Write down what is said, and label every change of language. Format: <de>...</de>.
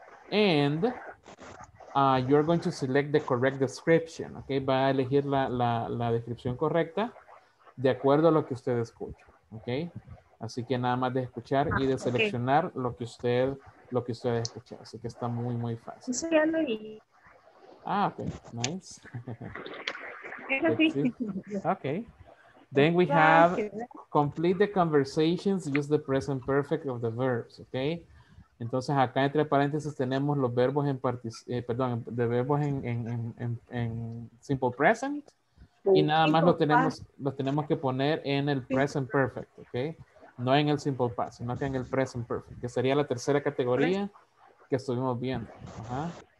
<en>And you're going to select the correct description.</en> <es>Okay, va a elegir la descripción correcta de acuerdo a lo que usted escucha. Okay, así que nada más de escuchar y de seleccionar okay. lo que usted escucha. Así que está muy, muy fácil. Eso ya lo vi.</es> <en>Ah, okay, nice.</en> <es>Es así.</es> <en>Okay. Then we have complete the conversations, use the present perfect of the verbs. Okay.</en> <es>Entonces acá entre paréntesis tenemos los verbos en simple present y nada más los tenemos que poner en el present perfect, ¿ok? No en el simple past, sino que en el present perfect, que sería la tercera categoría que estuvimos viendo. Ajá.</es>